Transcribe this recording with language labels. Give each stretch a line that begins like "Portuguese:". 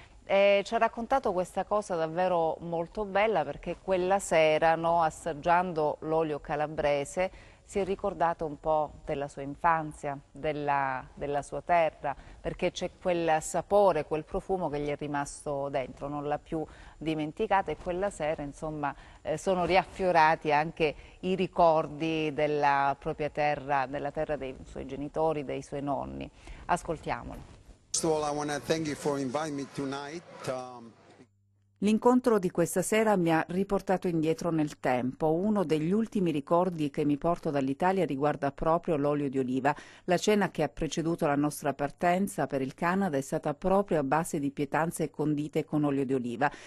Italian: E ci ha raccontato questa cosa davvero molto bella, perché quella sera, no, assaggiando l'olio calabrese, si è ricordato un po' della sua infanzia, della sua terra, perché c'è quel sapore, quel profumo che gli è rimasto dentro, non l'ha più dimenticata, e quella sera, insomma, sono riaffiorati anche i ricordi della propria terra, della terra dei suoi genitori, dei suoi nonni. Ascoltiamolo.
English: First of all, I want to thank you for inviting me tonight.
Italian: L'incontro di questa sera mi ha riportato indietro nel tempo. Uno degli ultimi ricordi che mi porto dall'Italia riguarda proprio l'olio di oliva. La cena che ha preceduto la nostra partenza per il Canada è stata proprio a base di pietanze condite con olio di oliva.